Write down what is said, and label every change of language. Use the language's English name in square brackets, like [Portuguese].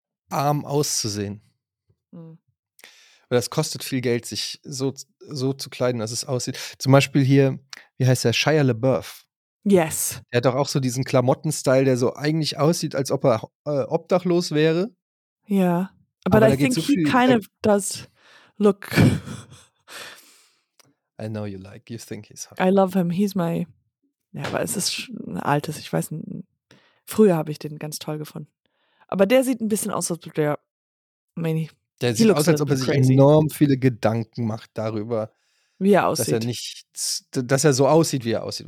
[German] Arm auszusehen. Mhm. Das kostet viel Geld, sich so zu kleiden, dass es aussieht. Zum Beispiel hier, wie heißt der? Shia LaBeouf. [English] Yes. [German] Der hat doch auch so diesen Klamottenstyle, der so eigentlich aussieht, als ob er obdachlos wäre. Ja. [English] But I think so [German] viel, [English] he kind of does look. I know you like, you think he's hot. I love him, he's my. [German] Ja, aber es ist ein altes, ich weiß nicht. Früher habe ich den ganz toll gefunden. Aber der sieht ein bisschen aus, als ob der. Der sieht aus, als ob er sich enorm viele Gedanken macht darüber, wie er aussieht. Dass er so aussieht, wie er aussieht.